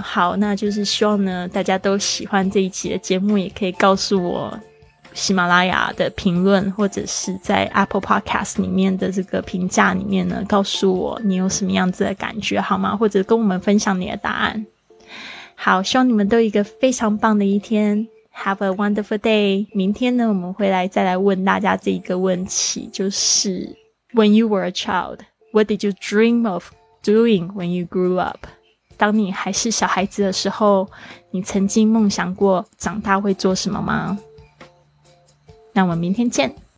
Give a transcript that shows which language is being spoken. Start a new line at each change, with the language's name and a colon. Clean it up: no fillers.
Chinese: 好，那就是希望呢大家都喜欢这一期的节目，也可以告诉我喜马拉雅的评论或者是在 Apple Podcast 里面的这个评价里面呢，告诉我你有什么样子的感觉好吗，或者跟我们分享你的答案。好，希望你们都有一个非常棒的一天，
English: Have a wonderful day。
Chinese: 明天呢我们会来再来问大家这一个问题，就是
English: When you were a child, what did you dream of doing when you grew up?
Chinese: 当你还是小孩子的时候，你曾经梦想过长大会做什么吗？那我们明天见。